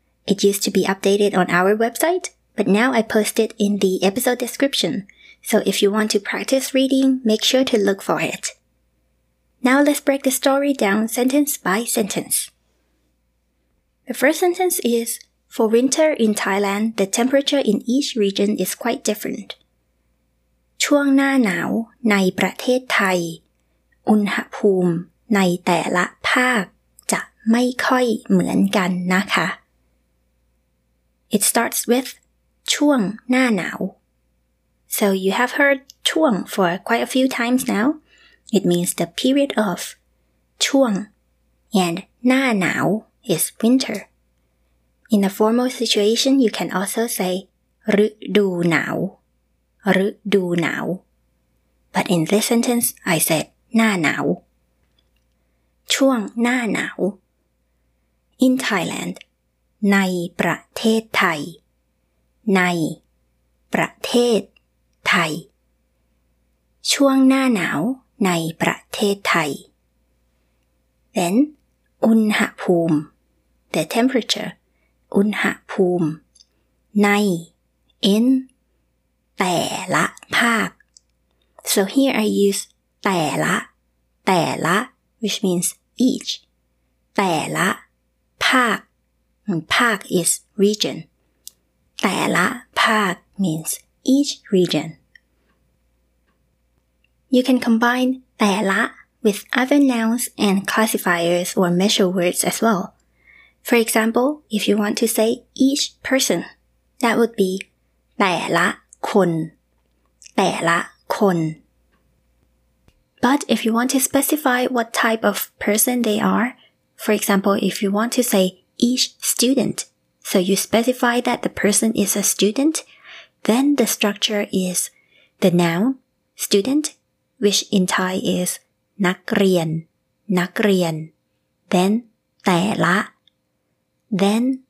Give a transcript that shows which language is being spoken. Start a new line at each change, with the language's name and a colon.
English: It used to be updated on our website, but now I post it in the episode description. So if you want to practice reading, make sure to look for it. Now let's break the story down sentence by sentence. The first sentence is, for winter in Thailand, the temperature in each region is quite different.
Thai: ช่วงหน้าหนาวในประเทศไทยอุณหภูมิในแต่ละภาคจะไม่ค่อยเหมือนกันนะคะ
English: It starts with ช่วงหน้าหนาวSo you have heard ช่วง for quite a few times now. It means the period of ช่วง and หน้าหนาว is winter. In a formal situation, you can also say ฤดูหนาวฤดูหนาว But in this sentence, I said หน้าหนาวช่วงหน้าหนาว In Thailand
Thai: ในประเทศไทยในประเทศไทยช่วงหน้าหนาวในประเทศไทย
English: Then อุณหภูมิ The temperature อุณหภูมิใน in
Thai: แต่ละภาค
English: So here I use แต่ละแต่ละ which means each แต่ละภาคภาค is region แต่ละภาค means each regionYou can combine แต่ละ with other nouns and classifiers or measure words as well. For example, if you want to say each person, that would be แต่ละคนแต่ละคน But if you want to specify what type of person they are, for example, if you want to say each student, so you specify that the person is a student, then the structure is the noun, student,which in Thai is นักเรียนนักเรียน then แต่ละ then